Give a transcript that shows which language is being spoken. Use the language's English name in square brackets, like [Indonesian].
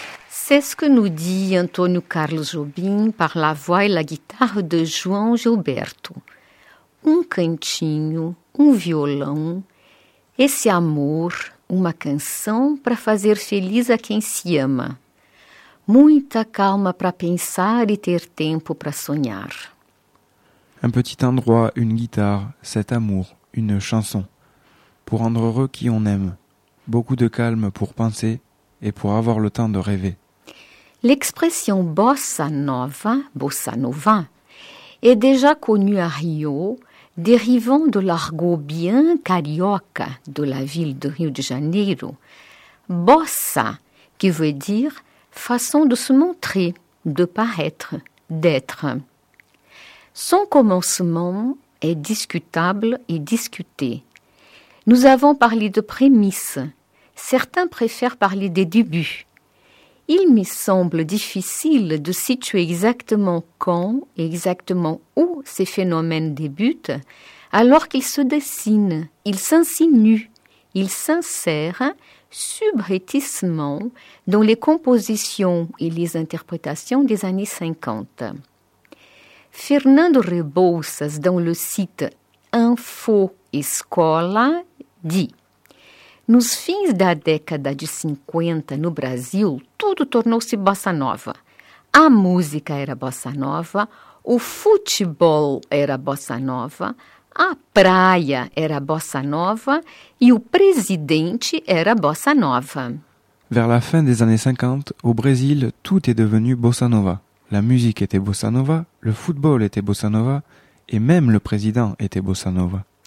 [French] C'est ce que nous dit Antônio Carlos Jobim par la voix et la guitare de João Gilberto. [Portuguese] Um cantinho, um violão, esse amor, uma canção para fazer feliz a quem se ama. Muita calma para pensar e ter tempo para sonhar. [French] Un petit endroit, une guitare, cet amour, une chanson. Pour rendre heureux qui on aime. Beaucoup de calme pour penser et pour avoir le temps de rêver. L'expression bossa nova, est déjà connue à Rio, dérivant de l'argot bien carioca de la ville de Rio de Janeiro. Bossa, qui veut dire façon de se montrer, de paraître, d'être. Son commencement est discutable et discuté. Nous avons parlé de prémices. Certains préfèrent parler des débuts. Il me semble difficile de situer exactement quand et exactement où ces phénomènes débutent, alors qu'ils se dessinent, ils s'insinuent, ils s'insèrent subrepticement dans les compositions et les interprétations des années 50. [Portuguese] Fernando Rebouças, [French] dans le site Info Escola, dit: [Portuguese] nos fins da década de 50 no Brasil, tudo tornou-se bossa nova. A música era bossa nova, o futebol era bossa nova, a praia era bossa nova e o presidente era bossa nova. [French] Vers la fin des années 50, au Brésil, tout est devenu bossa nova. La musique était bossa nova, le football était bossa nova et même le président était bossa nova.